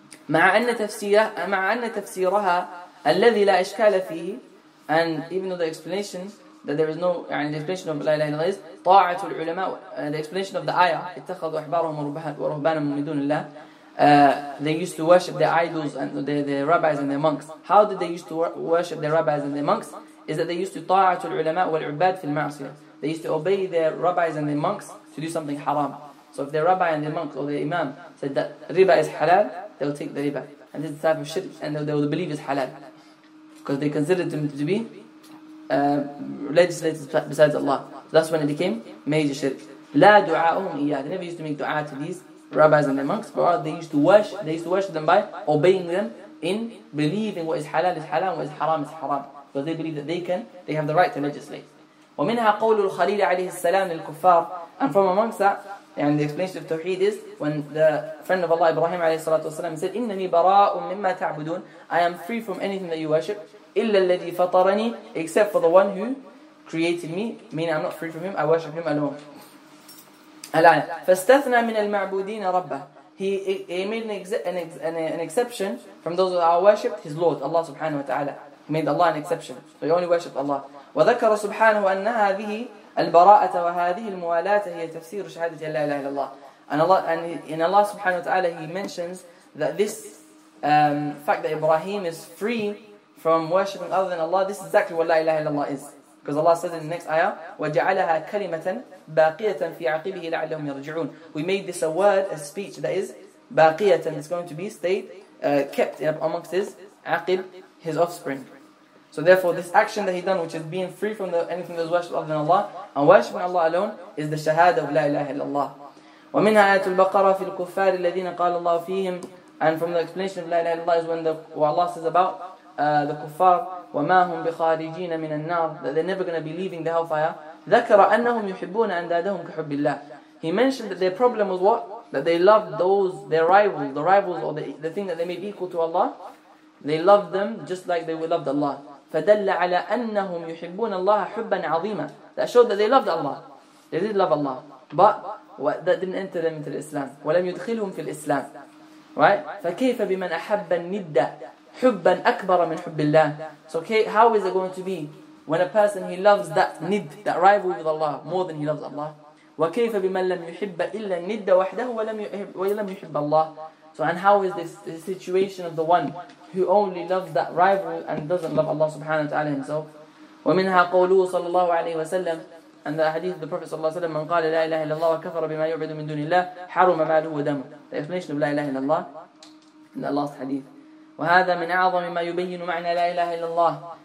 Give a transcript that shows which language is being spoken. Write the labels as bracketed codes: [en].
[ar] مع أن تفسيرها الذي لا إشكال فيه, [en] and even though the explanation that there is no, يعني the explanation of لا إله إلا الله is طاعة العلماء, the explanation of the ayah [ar] اتخذوا أحبارهم ورهبانا من دون الله, [en] they used to worship their idols and their rabbis and their monks. How did they used to worship their rabbis and their monks? Is that they used to [ar] طاعة العلماء والعباد في المعصية. [en] They used to obey their rabbis and their monks to do something haram. So if their rabbi and their monk or their imam said that riba is halal, they will take the riba. And this is the type of shirk, and they will believe is halal. Because they considered them to be legislators besides Allah. So that's when it became major shirk. [ar] لا دعاءهم إياه. [en] They never used to make dua to these rabbis and their monks, but they used to worship them by obeying them in believing what is halal is halal, what is haram is haram. Because they believe that they have the right to legislate. [ar] ومنها قول الخليل عليه السلام للكفار. [en] And from amongst that, and the explanation of Tawheed is when the friend of Allah Ibrahim عليه الصلاة والسلام said, [ar] إِنَّنِي بَرَاءٌ مِمَّا تَعْبُدُونَ. [en] I am free from anything that you worship. [ar] إِلَّا الَّذِي فَطَرَنِي. [en] Except for the one who created me. Meaning I'm not free from him, I worship him alone. [ar] الآية. فَاسْتَثْنَى مِنَ الْمَعْبُودِينَ رَبَّهُ. [en] He made an exception from those who are worshipped, his Lord, Allah subhanahu wa ta'ala. He made Allah an exception. So he only worshipped Allah. [ar] وَذَكَرَ سُبْحَانَهُ أَنَّ هَذِهِ البراءة وهذه الموالاة هي تفسير شهادة لا إله إلا الله. [en] And Allah subhanahu wa ta'ala, he mentions that this fact that Ibrahim is free from worshipping other than Allah, this is exactly what لا إله إلا الله is. Because Allah says in the next ayah, [ar] وجعلها كلمة باقية في عقبه لعلهم يرجعون. [en] We made this a word, a speech that is باقية, it's going to be stayed, kept amongst his عقب, his offspring. So therefore, this action that he done, which is being free from anything that is worshipped other than Allah, and worshipping Allah alone, is the shahada of la ilaha illallah. [ar] وَمِنْهَا آيَةُ الْبَقَرَةِ فِي الْكُفَّارِ الَّذِينَ قَالَ اللَّهُ فِيهِمْ. [en] And from the explanation of la ilaha illallah is when what Allah says about the kuffar, [ar] وَمَا هُمْ بِخَارِجِينَ مِنَ النَّارِ, [en] that they're never going to be leaving the hellfire. [ar] ذَكَرَ أَنَّهُمْ يُحِبُّونَ أَنْدَادَهُمْ كَحُبِّ اللَّهِ. [en] He mentioned that their problem was what? That they loved those, their rivals, the rivals or the thing that they made equal to Allah, they loved them just like they loved Allah. [ar] فدل على أنهم يحبون الله حبا عظيما. [en] That showed that they loved Allah. They did love Allah. But that didn't enter them into the Islam. [ar] ولم يدخلهم في الإسلام. [en] Right? [ar] فكيف بمن أحب الندة حبا أكبر من حب الله. [en] So okay, how is it going to be when a person he loves that ند, that rival with Allah, more than he loves Allah? [ar] وكيف بمن لم يحب إلا الندة وحده ولم يحب الله. [en] So and how is this the situation of the one who only loves that rival and doesn't love Allah subhanahu wa ta'ala himself? [ar] وَمِنْهَا قَوْلُهُ صَلَّى اللَّهُ عَلَيْهِ وَسَلَّمْ. [en] And the hadith of the Prophet [ar] صَلَّى اللَّهُ عَلَيْهِ وَسَلَّمْ, مَنْ قَالَ لَا إِلَهِ لَلَّهُ وَكَفَرَ بِمَا يُعْبِدُ مِنْ دُونِ اللَّهِ حَرُمَ مَالُهُ وَدَمُهُ. [en] The explanation of [ar] لا إله إلا الله [en] in the last hadith. [ar] وَهَذَا مِنْ أَعْظَمِ مَا يُبَيِّنُ مَعْنَى لَا إِلَهِ إِلَّا اللَّهِ.